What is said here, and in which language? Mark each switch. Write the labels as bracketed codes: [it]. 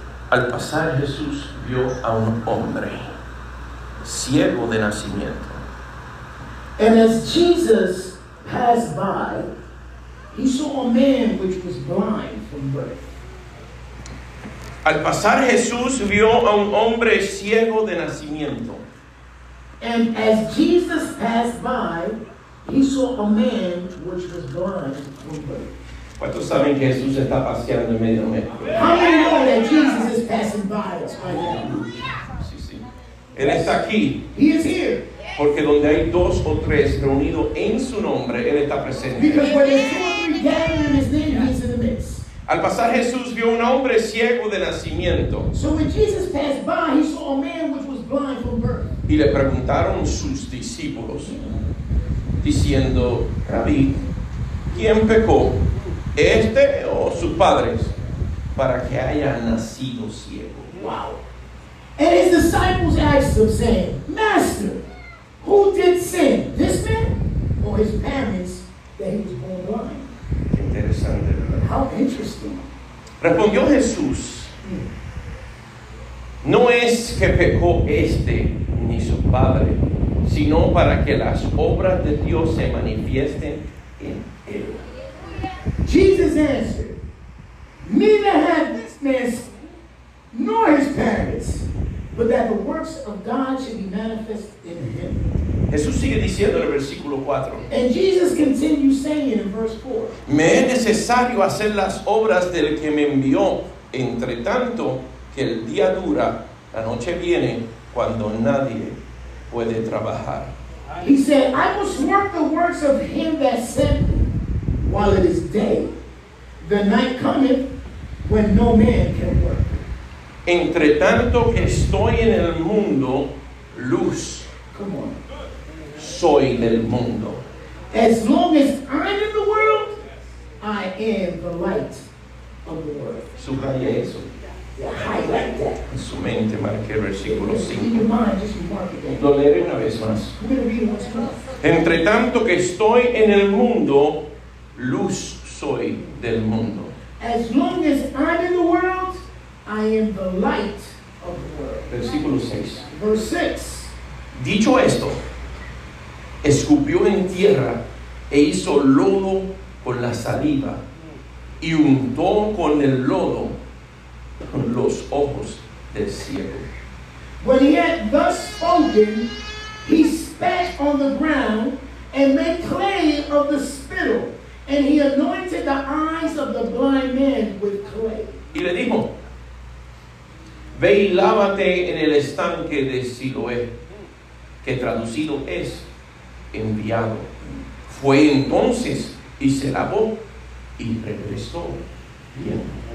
[es] Al pasar Jesús vio a un hombre ciego de nacimiento. [en] And as Jesus passed by, he saw a man which was blind from birth. [es] Al pasar Jesús vio a un hombre ciego de nacimiento. [en] And as Jesus passed by, he saw a man which was blind from birth. [es] ¿Cuántos saben que Jesús está paseando en medio de nosotros? [en] How many know that Jesus is passing by us right now? [es] Sí, sí. Él está aquí. [en] He is here. [es] Porque donde hay dos o tres reunidos en su nombre, Él está presente. [en] Because where there's two or three gathered in His name, He is in the midst. [es] Al pasar Jesús vio un hombre ciego de nacimiento. [en] So when Jesus passed by, He saw a man which was blind from birth. [es] Y le preguntaron sus discípulos, diciendo, Rabí, ¿quién pecó? ¿Este o sus padres? Para que haya nacido ciego. [en] Wow. And His disciples asked Him, saying, Master, who did sin, this man or his parents, that he was born blind? [es] Qué interesante, ¿verdad? [en] How interesting. [es] Respondió Jesús, No es que pecó este ni su padre, sino para que las obras de Dios se manifiesten en él. [en] Jesus answered, Neither had this man sin, nor his parents, but that the works of God should be manifest in him. [es] Jesús sigue diciendo en el versículo 4. [en] And Jesus continues saying in verse 4. [es] Me es necesario hacer las obras del que me envió, entre tanto que el día dura, la noche viene, cuando nadie puede trabajar. [en] He said, I must work the works of him that sent me while it is day. The night cometh when no man can work. [es] Entre tanto que estoy en el mundo, luz. [en] Come on. [es] Soy del mundo. [en] As long as I'm in the world, I am the light of the world. [es] Subraye eso. [en] Yeah, highlight that. [es] En su mente marqué el versículo 5. [en] In your mind, just mark it then. [es] Lo leeré una vez más. [en] We're going to read it once more. [es] Entre tanto que estoy en el mundo, luz soy del mundo. [en] As long as I'm in the world, I am the light of the world. [es] Versículo 6. [en] Verse 6. [es] Dicho esto, escupió en tierra e hizo lodo con la saliva y untó con el lodo los ojos del ciego. [en] When he had thus spoken, he spat on the ground and made clay of the spittle, and he anointed the eyes of the blind man with clay. [es] Y le dijo, ve y lávate en el estanque de Siloé, que traducido es enviado. Fue entonces y se lavó y regresó viendo.